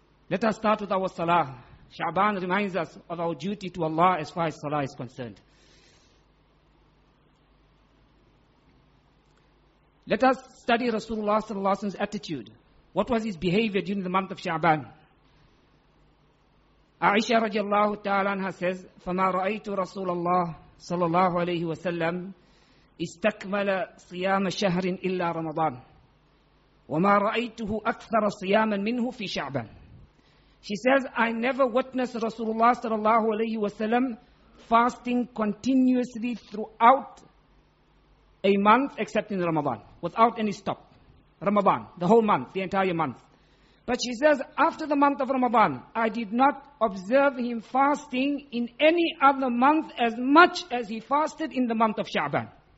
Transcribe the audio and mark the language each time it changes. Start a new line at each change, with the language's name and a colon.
English: Let us start with our salah. Sha'ban reminds us of our duty to Allah as far as salah is concerned. Let us study Rasulullah sallallahu alaihi wasallam's attitude. What was his behavior during the month of Sha'ban? Aisha radiallahu ta'ala anha says,
Arabic: فَمَا رَأَيْتُ رَسُولَ اللَّهِ صَلَى اللَّهُ عَلَيْهِ وَسَلَّمْ إِسْتَكْمَلَ صِيَامَ شَهْرٍ إِلَّا رَمَضَانٍ وَمَا رَأَيْتُهُ أَكْثَرَ صِيَامًا مِنْهُ فِي شَعْبًا.
English: She says, I never witnessed Rasulullah sallallahu alayhi wa sallam fasting continuously throughout a month except in Ramadan, without any stop. Ramadan, the whole month, the entire month. But she says, after the month of Ramadan, I did not observe him fasting in any other month as much as he fasted in the month of Sha'ban.